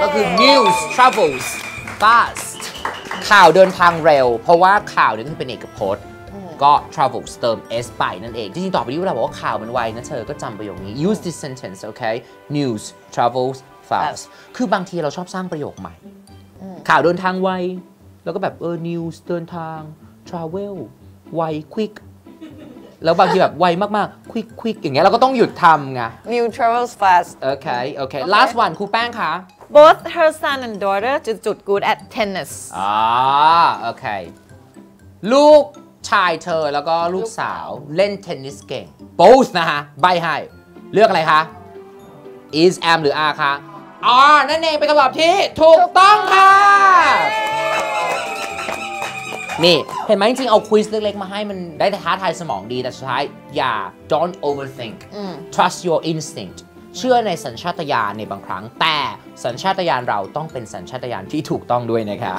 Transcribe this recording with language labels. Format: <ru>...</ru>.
<th>ก็คือ new travels fast ข่าวเดินทางเร็วเพราะว่าข่าวนี้ต้องเป็นเอกพจน์ก็ travel เติม s ไปนั่นเองจริงๆต่อไปนี้เวลาบอกว่าข่าวมันไวนะเธอก็จำประโยคนี้</th> <en>use this sentence okay news travels fast</en> <th>คือบางทีเราชอบสร้างประโยคใหม่ข่าวเดินทางไวแล้วก็แบบnews เดินทาง travel ไว quick แล้วบางทีแบบไวมากๆ</th> <en>quick quick</en> <th>อย่างเงี้ยเราก็ต้องหยุดทำไง</th> <en>new travels fast okay okay last one</en> <th>ครูแป้งค่ะ</th> <en>both her son and daughter จุด good at tennis</en> <th>okay ลูกชายเธอแล้วก็ลูกสาวเล่นเทนนิสเก่ง both นะฮะใบให้เลือกอะไรคะ is am หรือ are คะ are นั่นเองเป็นคำตอบที่ถูกต้องค่ะนี่เห็นไหมจริงๆเอาควิสเล็กๆมาให้มันได้ท้าทายสมองดีแต่สุดท้ายอย่า</th> <en>don't overthink trust your instinct</en> <th>เชื่อในสัญชาตญาณในบางครั้งแต่สัญชาตญาณเราต้องเป็นสัญชาตญาณที่ถูกต้องด้วยนะคะ</th>